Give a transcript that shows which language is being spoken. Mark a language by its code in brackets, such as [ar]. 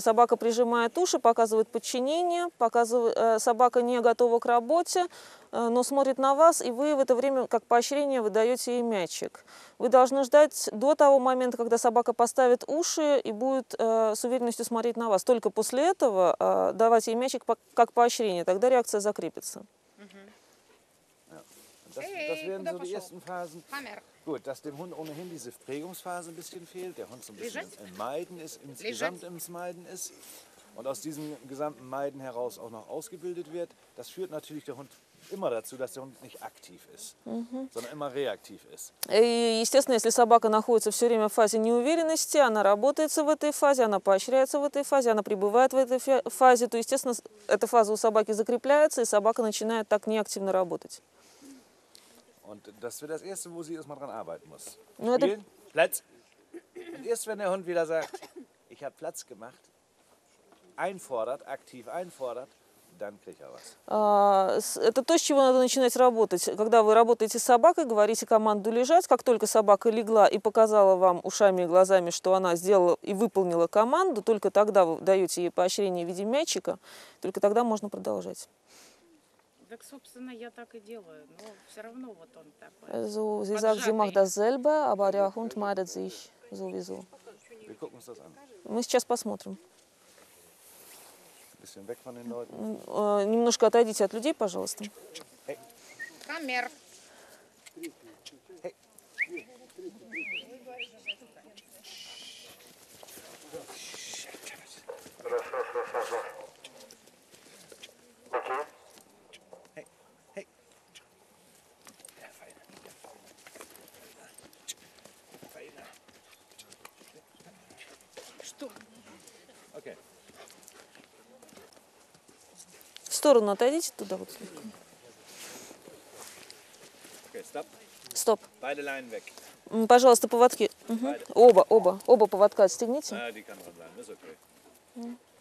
[ru] Собака прижимает уши, показывает подчинение, собака не готова к работе, но смотрит на вас, и вы в это время, как поощрение, вы даете ей мячик. Вы должны ждать до того момента, когда собака поставит уши и будет с уверенностью смотреть на вас. Только после этого давать ей мячик как поощрение. Тогда реакция закрепится. [en] Mm-hmm. Yeah. [de] Das, hey, das werden so die ersten Phasen. Hammer. Gut, dass dem Hund ohnehin diese Prägungsphase ein bisschen fehlt, der Hund so ein bisschen im Meiden ist, insgesamt im Meiden ist und aus diesem gesamten Meiden heraus auch noch ausgebildet wird, das führt natürlich der Hund immer dazu, dass der Hund nicht aktiv ist, sondern immer reaktiv ist. [ru] Естественно, если собака находится все время в фазе неуверенности, она работается в этой фазе, она поощряется в этой фазе, она пребывает в этой фазе, то, естественно, эта фаза у собаки закрепляется, и собака начинает так неактивно работать. [de] Und das wird das Erste, wo sie erstmal dran arbeiten muss. Spielen, Platz. Und erst wenn der Hund wieder sagt, ich habe Platz gemacht, einfordert, aktiv einfordert, dann kriegt er was. [ru] Это то, с чего надо начинать работать. Когда вы работаете с собакой, говорите команду лежать, как только собака легла и показала вам ушами и глазами, что она сделала и выполнила команду, только тогда вы даете ей поощрение в виде мячика, только тогда можно продолжать. Так, собственно, я так и делаю, но все равно вот он такой. [de] Also, sie sagt, sie macht dasselbe, aber der Hund meidet sich sowieso. Wir gucken uns das an. [ru] Мы сейчас посмотрим. [de] Ein bisschen weg von den Leuten. [ru] Немножко отойдите от людей, пожалуйста. Hey. Камер. В сторону отойдите туда вот слегка. [de] Okay, stop. [ru] Стоп. [de] Beide Leinen weg. [ru] Пожалуйста, поводки. Угу. Оба, оба. Оба поводка отстегните. [de] Ah, die kann dran bleiben. Ist okay.